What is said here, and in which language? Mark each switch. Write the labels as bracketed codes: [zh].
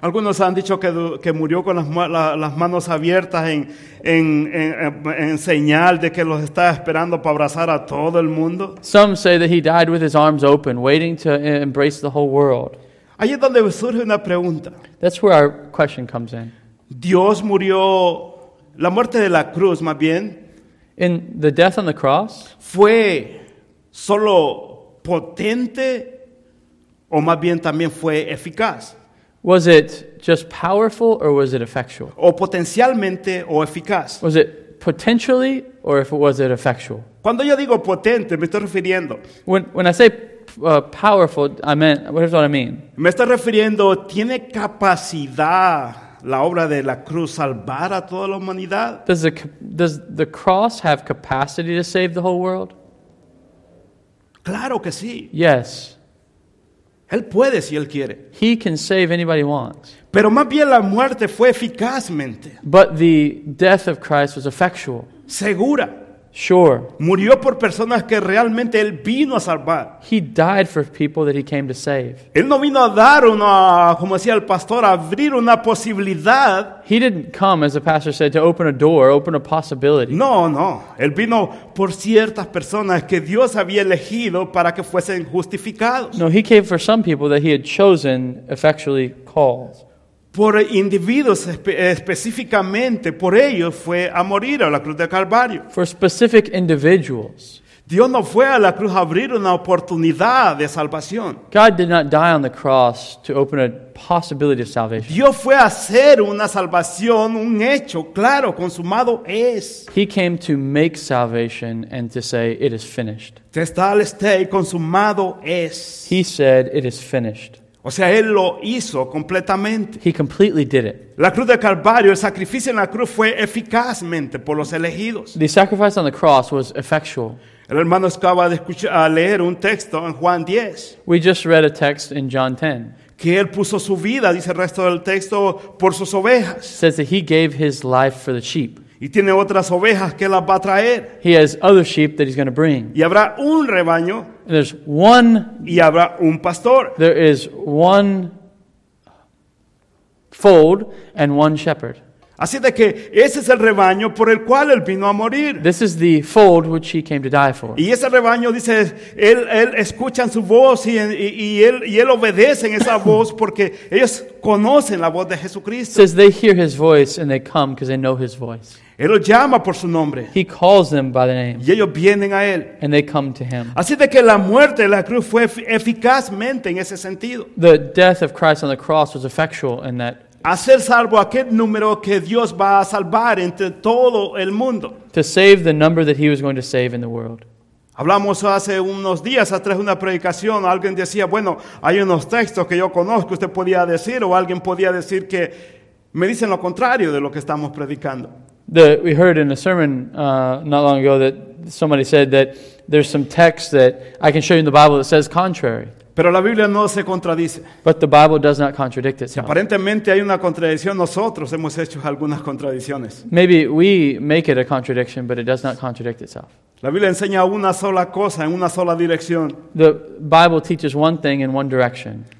[es] Algunos han dicho que murió con las manos abiertas en señal de que los está esperando para abrazar a todo el mundo. [en] Some say that He died with His arms open, waiting to embrace the whole world. [es] Ahí es donde surge una pregunta. [en] That's where our question comes in. [es] Dios murió, la muerte de la cruz, más bien. [en] In the death on the cross. [es] Fue solo potente, o más bien también fue eficaz. [en] Was it just powerful or was it effectual? [es] O potencialmente o eficaz. [en] Was it potentially or was it effectual? [es] Cuando yo digo potente, me estoy refiriendo. [en] When I say powerful, here's what I mean. [es] Me estoy refiriendo, ¿tiene capacidad la obra de la cruz salvar a toda la humanidad? [en] Does the cross have capacity to save the whole world? [es] Claro que sí. [en] Yes. [es] Él puede si Él quiere. [en] He can save anybody he wants. [es] Pero más bien la muerte fue eficazmente. [en] But the death of Christ was effectual. [es] Segura. [en] Sure. [es] Murió por personas que realmente Él vino a salvar. [en] He died for people that He came to save. [es] Él no vino a dar una, como decía el pastor, a abrir una posibilidad. [en] He didn't come, as the pastor said, to open a door, open a possibility. [es] No, no. [en] Él vino por ciertas personas que Dios había elegido para que fuesen justificados. [es] No, He came for some people that He had chosen, effectually called. [en] Por individuos específicamente, por ellos fue a morir a la cruz del Calvario. [es] For specific individuals. [en] Dios no fue a la cruz a abrir una oportunidad de salvación. [es] God did not die on the cross to open a possibility of salvation. [en] Dios fue a hacer una salvación, un hecho, claro, consumado es. [es] He came to make salvation and to say, it is finished. [en] Tetelestai, consumado es. [es] He said, it is finished. [en] O sea, Él lo hizo completamente. [es] He completely did it. [en] La cruz del Calvario, el sacrificio en la cruz fue eficazmente por los elegidos. [es] The sacrifice on the cross was effectual. [en] El hermano acaba de leer un texto en Juan 10. [es] We just read a text in John 10. [en] Que Él puso su vida, dice el resto del texto, por sus ovejas. [es] It says that He gave His life for the sheep. [en] Y tiene otras ovejas que las va a traer. [es] He has other sheep that He's going to bring. [en] Y habrá un rebaño. [es] And there's one. [en] Y habrá un pastor. [es] There is one fold and one shepherd. [en] Así de que ese es el rebaño por el cual Él vino a morir. [es] This is the fold which He came to die for. [en] Y ese rebaño dice, él escucha su voz y él obedece en esa voz porque ellos conocen la voz de Jesucristo. [es] It says they hear His voice and they come because they know His voice. [en] Él los llama por su nombre. [es] He calls them by the name. [en] Y ellos vienen a Él. [es] And they come to Him. [en] Así de que la muerte de la cruz fue eficazmente en ese sentido. [es] The death of Christ on the cross was effectual in that. [en] Hacer salvo aquel número que Dios va a salvar entre todo el mundo. [es] To save the number that He was going to save in the world. Hablamos hace unos días atrás de una predicación. Alguien decía, bueno, hay unos textos que yo conozco. Usted podía decir o alguien podía decir que me dicen lo contrario de lo que estamos predicando. [en] We heard in a sermon not long ago that somebody said that there's some text that I can show you in the Bible that says contrary. [es] Pero la Biblia no se contradice. [en] But the Bible does not contradict itself. [es] Aparentemente hay una contradicción. Nosotros hemos hecho algunas contradicciones. [en] Maybe we make it a contradiction, but it does not contradict itself. [es] La Biblia enseña una sola cosa en una sola dirección. [en] The Bible teaches one thing in one direction.